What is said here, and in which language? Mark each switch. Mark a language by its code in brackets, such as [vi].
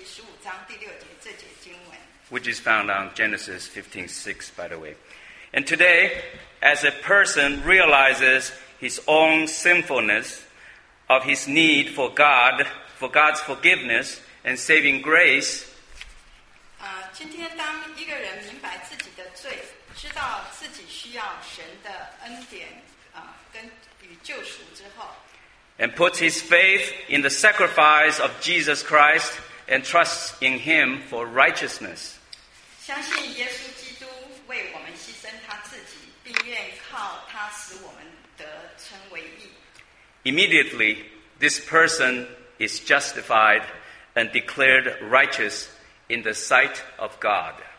[zh] 使徒保罗在罗马书第四章也同样的引用了旧约创世纪十五章第六节这节经文, [en] which is found on Genesis 15:6, by the way. And today, as a person realizes his own sinfulness, of his need for God, for God's forgiveness and saving grace, [zh] 今天当一个人明白自己的罪, 知道自己需要神的恩典, 跟与救赎之后, [en] and puts his faith in the sacrifice of Jesus Christ and trusts in him for righteousness, [zh] 相信耶稣基督为我们牺牲他自己, 并愿靠他使我们得称为义, [en] immediately, this person is justified and declared righteous in the sight of God.